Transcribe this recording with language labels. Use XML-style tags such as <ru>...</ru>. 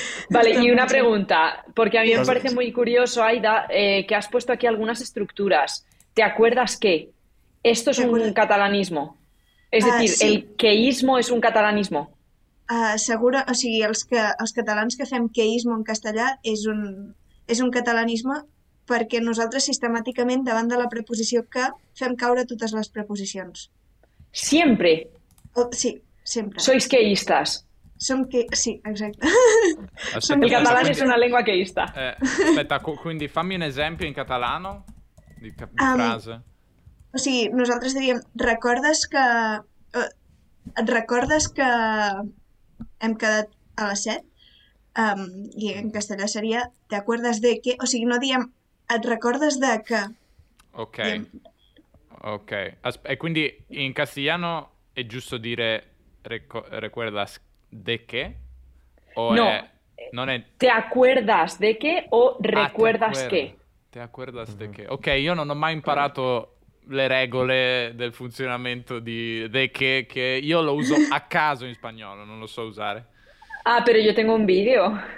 <es>Vale, y una pregunta, porque a mí me parece muy curioso, Aida, que has puesto aquí algunas estructuras. ¿Te acuerdas que esto es un catalanismo? Es decir, sí. ¿el queísmo es un catalanismo?</es> <ca>Segura, o sigui, els catalans que fem queísmo en castellà és un catalanisme perquè nosaltres sistemàticament davant de la preposició que fem caure totes les preposicions.</ca> <es>Siempre.</es> <ca>Sí, sempre.</ca> <es>Sois queístas.</es> <ca>Som que... Sí, exacte.</ca> <it>Aspetta,</it> <ca>el català és una llengua queísta.</ca> <it>Aspetta, quindi fammi un esempio in catalano di frase.</it> <ca>O sigui, nosaltres diríem, recordes que... Et recordes que hem quedat a les 7? I en castellà seria,</ca> <es>¿te acuerdas de qué?</es> <ca>O sigui, no diem, ¿et recordes de què? Ok. Diem... Ok.</ca> <it>E quindi in castellano è giusto dire</it> <es>recuerdas de qué?</es> <it>O no. È, non è...</it> <es>¿Te acuerdas de qué o recuerdas qué? Te acuerdas de qué.</es> <it>Ok, io non ho mai imparato... le regole del funzionamento di de che io lo uso a caso in spagnolo, non lo so usare. Ah, però io</it> <es>tengo</es> <it>un video.</it>